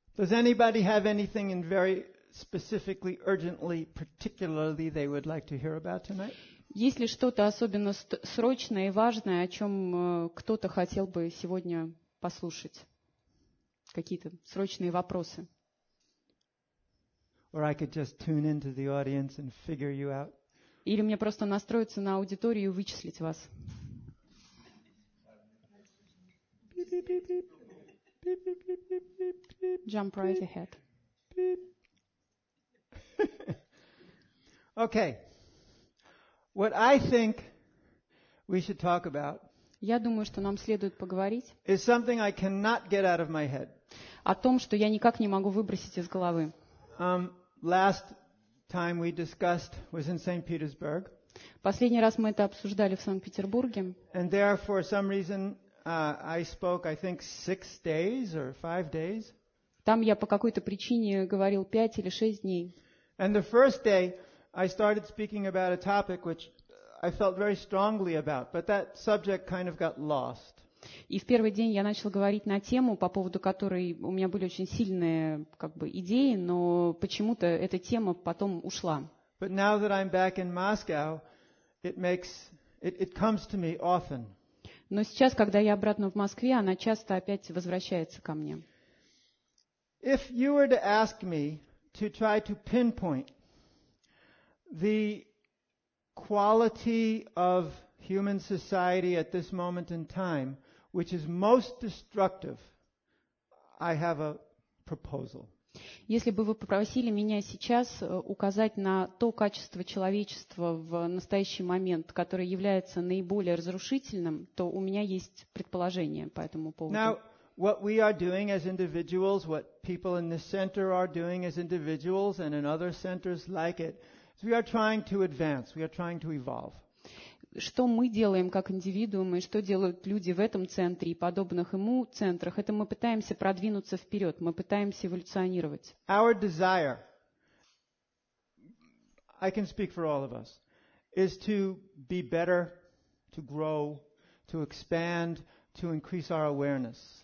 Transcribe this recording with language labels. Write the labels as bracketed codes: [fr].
[en] Does anybody have anything in very specifically, urgently, particularly they would like to hear about tonight? [ru] Есть ли что-то особенно срочное и важное, о чем кто-то хотел бы сегодня послушать? Какие-то срочные вопросы? [en] Or I could just tune into the audience and figure you out. [ru] Или мне просто настроиться на аудиторию и вычислить вас? [en] Jump right ahead. Okay. What I think we should talk about. [ru] Я думаю, что нам следует поговорить. [en] Is something I cannot get out of my head. [ru] О том, что я никак не могу выбросить из головы. [en] Last time we discussed was in St. Petersburg. [ru] Последний раз мы это обсуждали в Санкт-Петербурге. [en] And there, for some reason, I spoke, I think, 6 days or 5 days. [ru] Там я по какой-то причине говорил 5 или 6 дней. [en] And the first day, I started speaking about a topic which I felt very strongly about, but that subject kind of got lost. [ru] И в первый день я начал говорить на тему, по поводу которой у меня были очень сильные как бы, идеи, но почему-то эта тема потом ушла. [en] But now that I'm back in Moscow, it comes to me often. [ru] Но сейчас, когда я обратно в Москве, она часто опять возвращается ко мне. [en] If you were to ask me to try to pinpoint the quality of human society at this moment in time, which is most destructive, I have a proposal. [ru] Если бы вы попросили меня сейчас указать на то качество человечества в настоящий момент, которое является наиболее разрушительным, то у меня есть предположение по этому поводу. [en] Now, what we are doing as individuals, what people in this center are doing as individuals and in other centers like it, is we are trying to advance, we are trying to evolve. [ru] Что мы делаем как индивидуумы, что делают люди в этом центре и подобных ему центрах, это мы пытаемся продвинуться вперед, мы пытаемся эволюционировать. [en] Our desire, I can speak for all of us, is to be better, to grow, to expand, to increase our awareness.